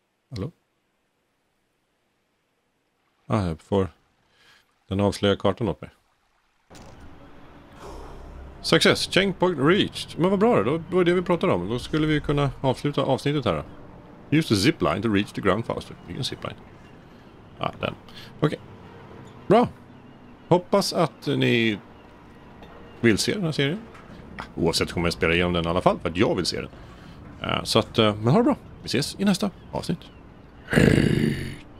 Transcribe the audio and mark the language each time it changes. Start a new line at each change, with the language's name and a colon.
Swedish: Hallå? Ah, jag får... Den avslöjar kartan åt mig.
English: Success! Checkpoint reached!
Swedish: Men vad bra då, det var det vi pratade om. Då skulle vi kunna avsluta avsnittet här.
English: Use the zipline to reach the ground faster.
Swedish: Vilken zipline? Ah, den. Okej. Okay. Bra! Hoppas att ni vill se den här serien. Oavsett kommer jag spela igenom den i alla fall, för att jag vill se den. Så att, men ha det bra. Vi ses i nästa avsnitt. Hej!